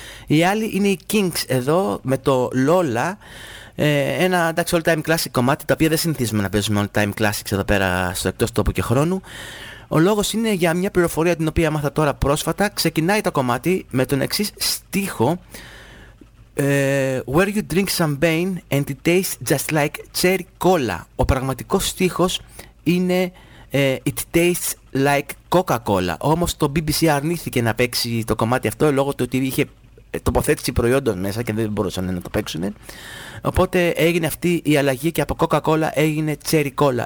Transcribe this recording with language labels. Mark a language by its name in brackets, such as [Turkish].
[Greek] Οι άλλοι είναι οι Kings εδώ με το Lola. Ένα εντάξει all time classic κομμάτι, τα οποία δεν συνηθίζουμε να παίζουμε all time classics εδώ πέρα στο εκτός τόπου και χρόνου. Ο λόγος είναι για μια πληροφορία την οποία μάθα τώρα πρόσφατα. Ξεκινάει το κομμάτι με τον εξής στίχο. [English] Where you drink champagne and it tastes just like cherry cola. [Greek] Ο πραγματικός στίχος είναι [English] it tastes like Coca-Cola. [Greek] Όμως το BBC αρνήθηκε να παίξει το κομμάτι αυτό λόγω του ότι είχε τοποθέτηση προϊόντων μέσα και δεν μπορούσαν να το παίξουν. Οπότε έγινε αυτή η αλλαγή και από Coca-Cola έγινε Cherry Cola.